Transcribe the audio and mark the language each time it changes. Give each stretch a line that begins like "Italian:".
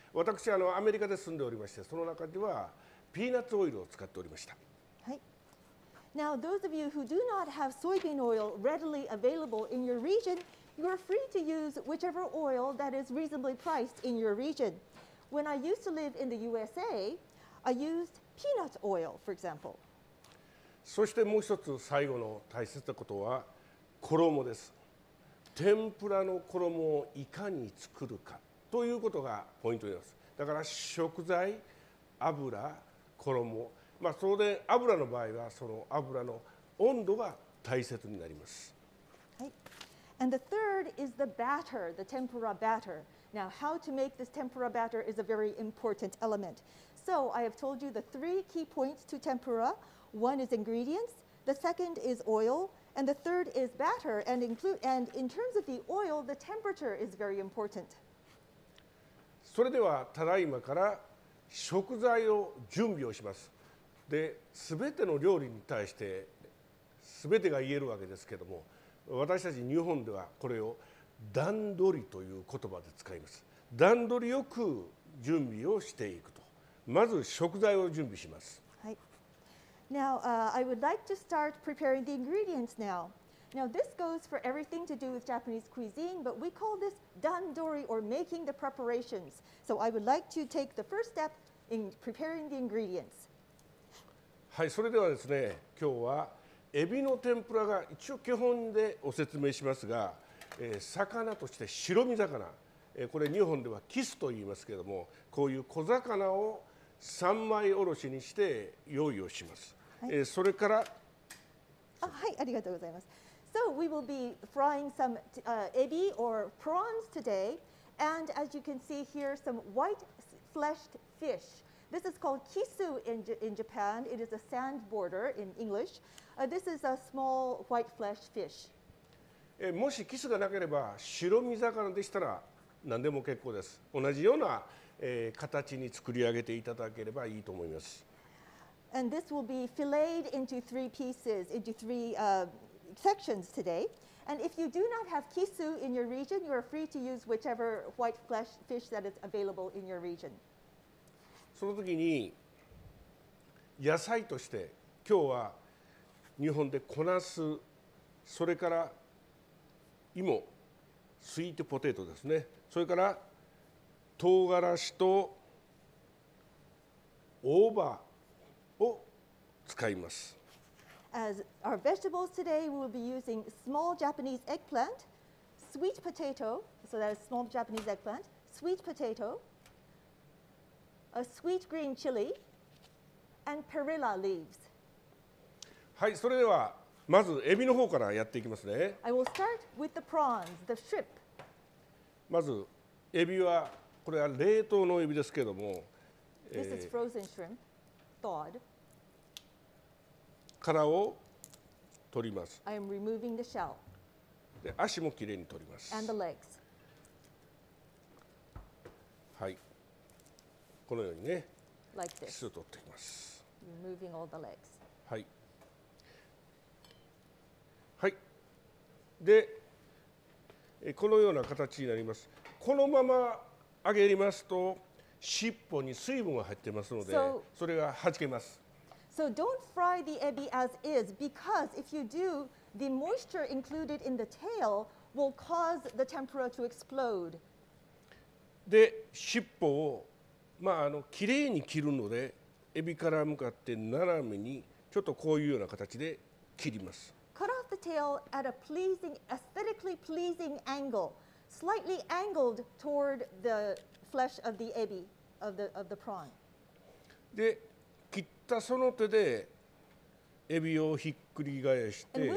Japanese: 私はアメリカで住んでおりまして、その中ではピーナッツオイルを使っておりました。はい。
English: Now, those of you who do not have soybean oil readily available in your region, you are free to use whichever oil that is reasonably priced in your region. When I used to live in the USA, I used peanut oil, for example.
Japanese: そしてもう一つ最後の大切なことは衣です。天ぷらの衣をいかに作るかということがポイントです。だから食材、油、衣、それで油の場合はその油の温度が大切になります。
English: はい。And the third is the batter, the tempura batter. Now, how to make this tempura batter is a very important element. So, I have told you the three key points to tempura. One is ingredients, the second is oil, and the third is batter. And in terms of the oil, the temperature is very important.
Japanese: それでは、ただいまから食材を準備をします。で、すべての料理に対して、すべてが言えるわけですけども、私たち日本ではこれを段取りという言葉で使います。段取りよく準備をしていくと。まず食材を準備します。はい。
English: Now, I would like to start preparing the ingredients now. Now, this goes for everything to do with Japanese cuisine, but we call this 段取り or making the preparations. So, I would like to take the first step in preparing the ingredients.
Japanese: はい、それではですね、今日はエビの天ぷらが一応基本でお説明しますが、魚として白身魚、これ日本ではキスと言いますけれども、こういう小魚を三枚おろしにして用意をします。はい、それから、はい、ありがとうございます。
English: So we will be frying some ebi or prawns today, and as you can see here, some white fleshed fish. This is called kisu in Japan. It is a sand border in English. This is a small white fleshed fish.
Japanese: もしキスがなければ白身魚でしたら何でも結構です。同じような形に作り上げていただければいいと思います。
English: And this will be filleted into three pieces, into three sections today. And if you do not have kisu in your region, you are free to use whichever white flesh fish that is available in your region.
Japanese: その時に野菜として今日は日本で小ナス、それから芋、スイートポテトですね。それから唐辛子と大葉を使います。
English: As our vegetables today, we will be using small Japanese eggplant, sweet potato, so that is small Japanese eggplant, sweet potato, a sweet green chili, and perilla leaves.
Japanese: はい、それではまずエビの方からやっていきますね。
English: I will start with the prawns, the shrimp.
Japanese: まずエビは、これは冷凍のエビですけれども、
English: This is frozen shrimp, thawed.
Japanese: 殻を取ります。
English: I am removing the shell.
Japanese: で、足もきれいに取ります。
English: And the legs.
Japanese: はい。このようにね、
English: Like this.
Japanese: 足を取っていきます。
English: Removing all the legs.
Japanese: はい。はい。で、このような形になります。このまま揚げますと、尻尾に水分が入ってますので、それがはじけます。
English: So don't fry the ebi as is, because if you do, the moisture included in the tail will cause the tempura to explode.
Japanese: で、尻尾を、まあ、きれいに切るので、エビから向かって斜めに、ちょっとこういうような形で切ります。
English: Cut off the tail at a pleasing, aesthetically pleasing angle, slightly angled toward the flesh of the ebi, of the prawn.
Japanese: で、切ったその手でエビをひっくり返して、